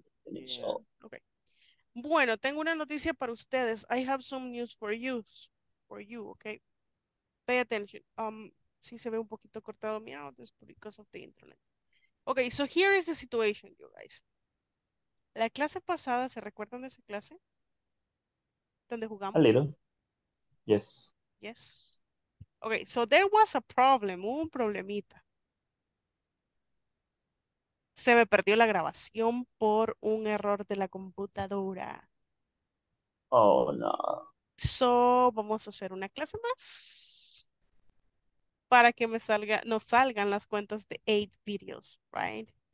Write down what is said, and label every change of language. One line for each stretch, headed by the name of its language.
English: Yeah. Okay.
Spanish: Bueno, tengo una noticia para ustedes.
English: I have some news for you. For you, okay? Pay attention.
Spanish: Si se ve un poquito cortado mi audio,
English: because of the internet. Okay, so here is the situation, you guys.
Spanish: La clase pasada, ¿se recuerdan de esa clase? Donde jugamos.
English: A little. Yes. Yes. Okay, so there was a problem,
Spanish: un problemita. Se me perdió la grabación por un error de la computadora.
English: Oh, no.
Spanish: So, vamos a hacer una clase más. Para que me salga, nos salgan las cuentas de 8 videos, right?